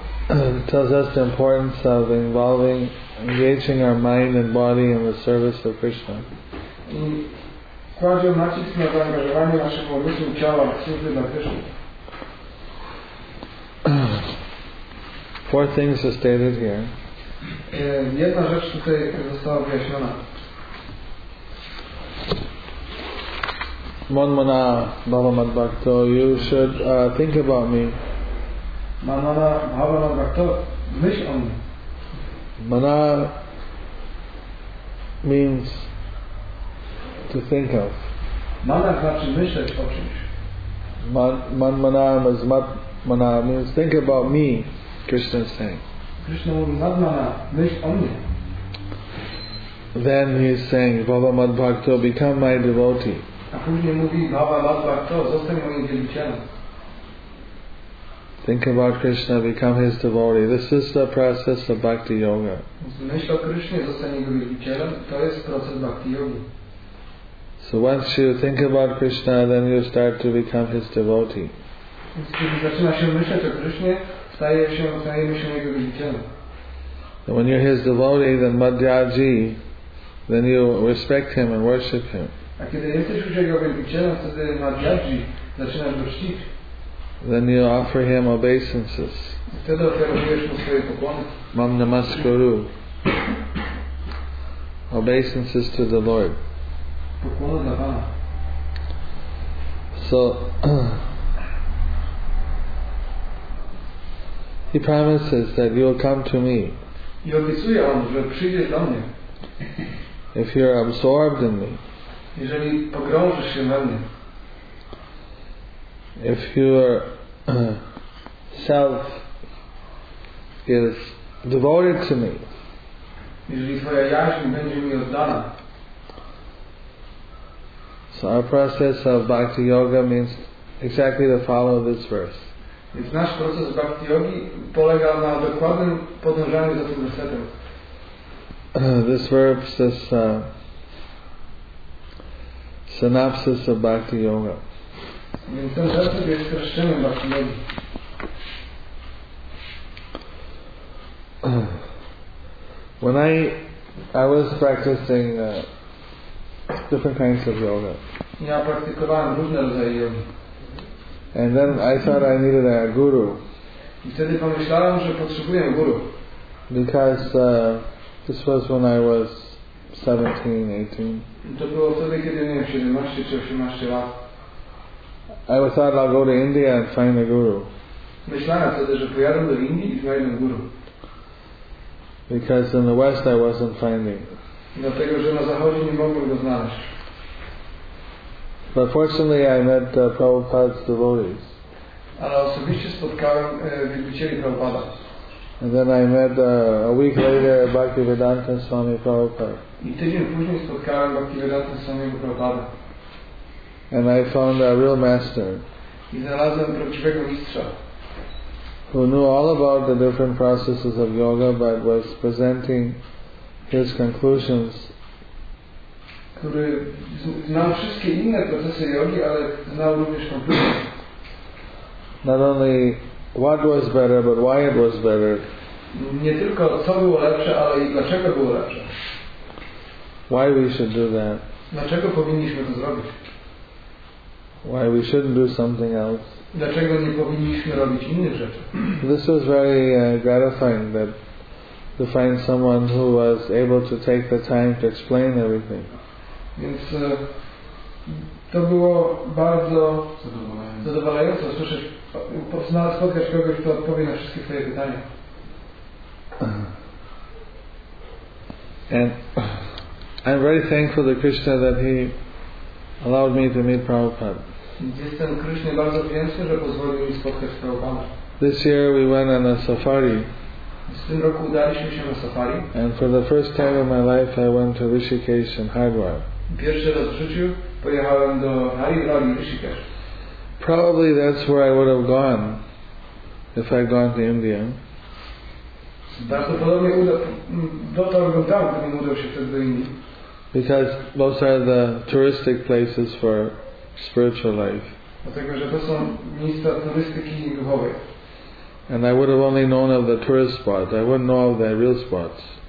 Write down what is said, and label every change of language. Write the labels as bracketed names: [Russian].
[English] It tells us the importance of engaging our mind and body in the service of Krishna. [Polish] kładzie on nacisk na zaangażowanie naszych umysłów ciała w służbie dla Krishny. [English] Four things are stated here. [Polish] Jedna rzecz tutaj została wyjaśniona. [Sanskrit] Manmana Bhavanad Bhakto, [English] you should think about me. [Sanskrit] Manmana Bhavanad Bhakto, [Polish] myśl o mnie. [English] Mana means to think of. [Polish] Mana znaczy myśleć o czymś. [English] Manmana is mat. Mana means think about me, Krishna is saying. [Polish] Krishna mówi madmana, myśl o mnie. [English] Then he is saying, [Sanskrit] Baba Madhvakto, [English] become my devotee. [Polish] A później mówi, [Sanskrit] Baba Madhvakto, [Polish] zostań moim wielbicielem. [English] Think about Krishna, become his devotee. This is the process of bhakti yoga. [Polish] Myśl o Krishna, zostań jego wielbicielem, to jest proces bhakti yogi. [English] So once you think about Krishna, then you start to become his devotee. [Polish] Kiedy zaczyna się myśleć o Krishnie, stajemy się jego wielbicielem. [English] And when you're his devotee, then madhyaji, then you respect him and worship him. [Polish] A kiedy jesteś już jego wielbicielem, wtedy madhyaji, zaczynasz go czcić. [English] Then you offer him obeisances. [Polish] Wtedy ofiarujesz mu swoje pokłony. [Sanskrit] Mam namaskuru. [English] Obeisances to the Lord. [Polish] Pokłony dla Pana. [English] So he promises that you will come to me. [Polish] I obiecuje on, że przyjdziesz do mnie. [English] If you're absorbed in me. [Polish] Jeżeli pogrążysz się we mnie. [English] If your self is devoted to me. [Polish] Jeżeli twoja jaźń będzie mi oddana. [English] So our process of bhakti yoga means exactly to follow this verse. [Polish] Więc nasz proces bhakti yogi polega na dokładnym podążaniu za tym wersetem. [English] This verse is a synopsis of bhakti yoga. [Polish] Więc ten werset jest skreszczeniem bhakti yogi. [English] When I was practicing different kinds of yoga. [Polish] Ja praktykowałem różne rodzaje jogi. [English] And then I thought I needed a guru. [Polish] I wtedy pomyślałem, że potrzebuję guru. [English] Because this was when I was 17, 18. [Polish] To było wtedy, kiedy miałem 17 czy 18 lat. [English] I thought I'll go to India and find a guru. [Polish] Myślałem wtedy, że pojadę do Indii i znajdę guru. [English] Because in the West I wasn't finding. [Polish] Dlatego, że na zachodzie nie mogłem go znaleźć. [English] But fortunately I met Prabhupada's devotees. [Polish] Ale osobiście spotkałem wielbicieli Prabhupada. [English] And then I met a week later Bhaktivedanta Swami Prabhupada. [Polish] I tydzień później spotkałem Bhaktivedanta Swami Prabhupada. [English] And I found a real master. [Polish] I znalazłem prawdziwego mistrza. [English] Who knew all about the different processes of yoga but was presenting his conclusions. [Polish] Który znał wszystkie inne procesy jogi, ale znał również konkluzję. [English] Not only what was better, but why it was better. [Polish] Nie tylko co było lepsze, ale i dlaczego było lepsze. [English] Why we should do that. [Polish] Dlaczego powinniśmy to zrobić. [English] Why we shouldn't do something else. [Polish] Dlaczego nie powinniśmy robić innych rzeczy. [English] This was very gratifying that to find someone who was able to take the time to explain everything. [Polish] Więc to było bardzo zadowalające usłyszeć, spotkać kogoś, kto odpowie na wszystkie twoje pytania. [English] And I'm very thankful to Krishna that he allowed me to meet Prabhupada. [Polish] Jestem Krishna bardzo wdzięczny, że pozwolił mi spotkać Prabhupada. [English] This year we went on a safari. [Polish] W tym roku udaliśmy się na safari. [English] And for the first time in my life I went to Rishikesh and Hardwar. [Polish] Pierwszy raz w życiu pojechałem do Haridwar i Rishikesh. [English] Probably that's where I would have gone if I'd gone to India. [Polish] Bardzo podobnie dotarłbym tam, gdybym udał się wtedy do Indii. [English] Because those are the touristic places for spiritual life. [Polish] Dlatego, że to są miejsca turystyki i duchowej. [English] And I would have only known of the tourist spots. I wouldn't know of the real spots.